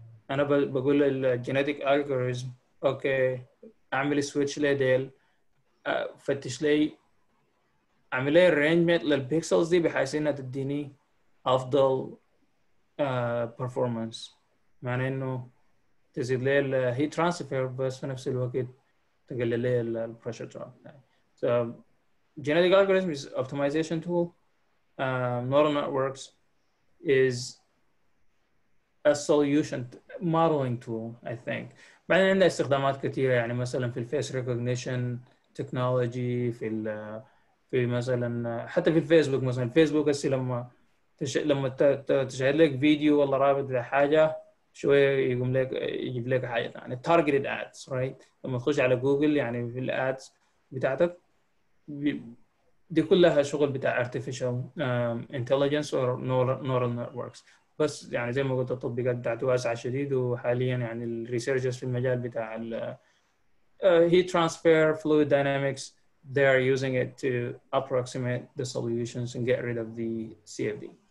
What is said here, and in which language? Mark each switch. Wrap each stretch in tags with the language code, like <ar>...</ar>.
<ar>أنا بقول الجينيتيك ألغوريزم اوكي اعمل سويتش لديل, فتش لي اعمل لي ارينجمنت للبيكسلز دي بحيث انها تديني افضل performance, معنى انه تزيد لي الهيت ترانسفير بس في نفس الوقت تقلل لي البريشر دروب.</ar> <en>So genetic algorithm is optimization tool, neural networks is a solution modeling tool, I think.</en> <ar>بعدين عندنا استخدامات كثيرة, يعني مثلاً في الفيس ريكوجنيشن تكنولوجي, في مثلاً حتى في الفيسبوك, مثلاً فيسبوك هسه لما تشاهد لك فيديو ولا رابط لحاجة شوية يقوم لك يجيب لك حاجة ثانية,</ar> <en>targeted ads, right؟</en> <ar>لما تخش على جوجل يعني في الادز بتاعتك دي كلها شغل بتاع artificial intelligence or neural networks. بس يعني زي ما قلت التطبيقات بتاعته واسعة شديد, وحاليا يعني الريسيرشز في المجال بتاع ال heat transfer fluid dynamics</ar> <en>they are using it to approximate the solutions and get rid of the CFD.</en>